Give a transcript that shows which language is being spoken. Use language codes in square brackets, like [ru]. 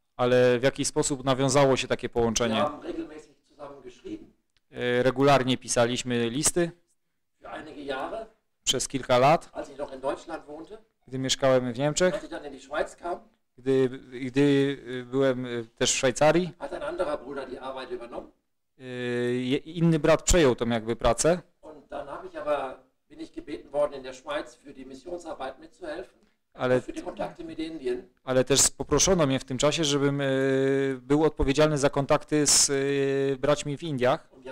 [pl] Ale w jaki sposób nawiązało się takie połączenie? [de] Wir haben regelmäßig zusammen geschrieben. [pl] Regularnie pisaliśmy listy. [de] Für einige Jahre. [pl] Przez kilka lat. [de] Als ich noch in Deutschland wohnte. [pl] Gdy mieszkałem w Niemczech. [de] Als ich dann in die Schweiz kam. [pl] Gdy byłem też w Szwajcarii. [de] Hat ein anderer Bruder die Arbeit übernommen. [pl] Inny brat przejął tą jakby pracę. [de] Und dann habe ich aber bin ich gebeten worden in der Schweiz für die Missionsarbeit mitzuhelfen. [pl] Ale, ale też poproszono mnie w tym czasie, żebym był odpowiedzialny za kontakty z braćmi w Indiach.